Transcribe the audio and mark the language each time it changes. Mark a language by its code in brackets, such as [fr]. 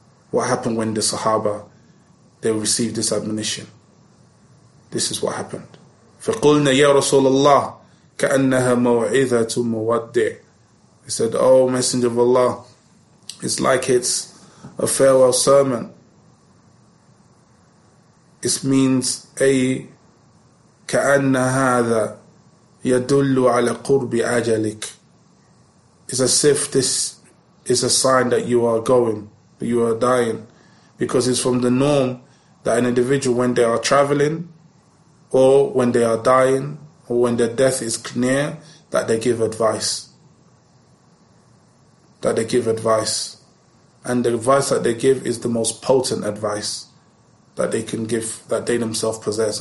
[en] What happened when the Sahaba, they received this admonition? This is what happened. [ar] فَقُلْنَا يَا رَسُولَ اللَّهِ كَأَنَّهَا مَوْعِذَةُ مُوَدِّعُ. [en] He said, oh Messenger of Allah, it's like it's a farewell sermon. It means, [ar] أي كَأَنَّ هَذَا يَدُلُّ عَلَى قُرْبِ أَجَلِكَ. [en] It's as if this is a sign that you are going, that you are dying. Because it's from the norm that an individual, when they are traveling, or when they are dying, or when their death is near, that they give advice. That they give advice. And the advice that they give is the most potent advice that they can give, that they themselves possess.